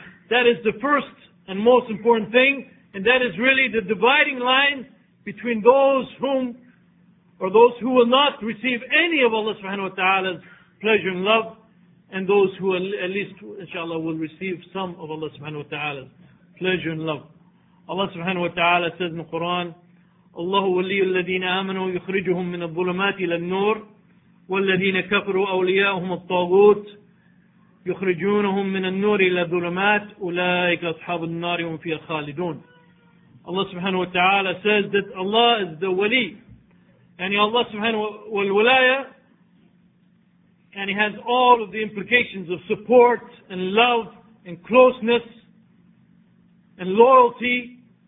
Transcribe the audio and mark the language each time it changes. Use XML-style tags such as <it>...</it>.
<en>That is the first and most important thing, and that is really the dividing line between those who will not receive any of Allah subhanahu wa ta'ala's pleasure and love, and those who at least, inshallah, will receive some of Allah subhanahu wa ta'ala's pleasure and love. Allah subhanahu wa ta'ala says in the Quran,</en> <ar>الله ولي الذين آمنوا يخرجهم من الظلمات إلى النور والذين كفروا أولياؤهم الطاغوت يخرجونهم من النور إلى الظلمات أولئك أصحاب النار هم فيها خالدون.</ar> <en>Allah subhanahu wa ta'ala says that Allah is the wali. And Allah subhanahu wa ta'ala, and He has all of the implications of support and love and closeness and loyalty.</en>